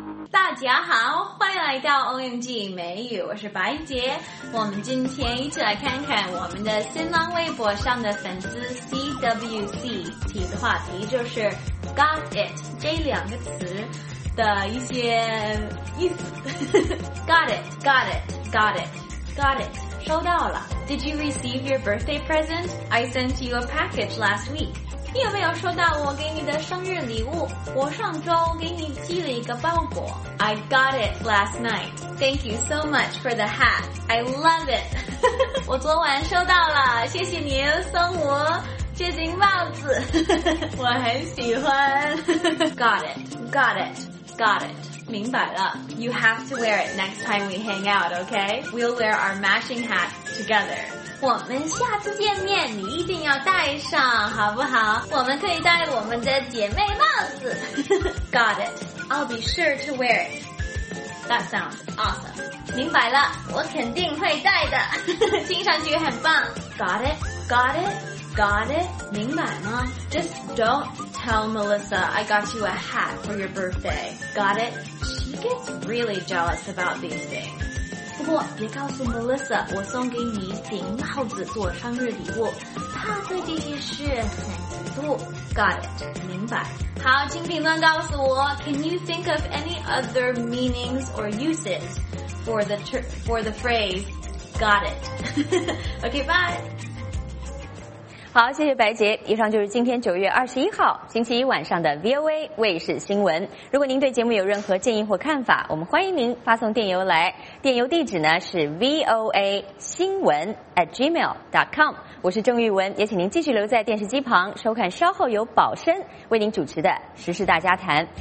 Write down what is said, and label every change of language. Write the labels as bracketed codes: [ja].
[zh] 大家好，欢迎来到 OMG 美语，我是白杰。我们今天一起来看看我们的新浪微博上的粉丝 CWC 提的话题，就是 Got it 这两个词的一些意思。 [en] Got it, got it, got it, got it, [zh] 收到了。 [en] Did you receive your birthday present? I sent you a package last week. [zh] 你有没有收到我给你的生日礼物？我上周给你寄了一个包裹。 [en] I got it last night. Thank you so much for the hat. I love it. [zh] 我昨晚收到了，谢谢你送我这顶帽子。我很喜欢。 [en] Got it, got it, got it. [zh] 明白了。 [en] You have to wear it next time we hang out, okay? We'll wear our matching hats together. [zh] 我们下次见面，你一定要戴上，好不好？我们可以戴我们的姐妹帽子。 [en] Got it. I'll be sure to wear it. That sounds awesome. [zh] 明白了，我肯定会戴的。听上去很棒。 [en] Got it. Got it. Got it. [zh] 明白吗？ [en] Just don't tell Melissa I got you a hat for your birthday. Got it. She gets really jealous about these things. [zh] 不过别告诉 Melissa 我送给你顶帽子做生日礼物，她对这件事很嫉妒。 [en] Got it, [zh] 明白。好，请评论告诉我 [en] Can you think of any other meanings or uses for the phrase Got it? OK, bye. [zh] 好，谢谢白杰。以上就是今天9月21号星期一晚上的 VOA 卫视新闻。如果您对节目有任何建议或看法，我们欢迎您发送电邮来，电邮地址呢是 voasinwen@gmail.com。我是郑玉文，也请您继续留在电视机旁收看稍后由宝申为您主持的时事大家谈。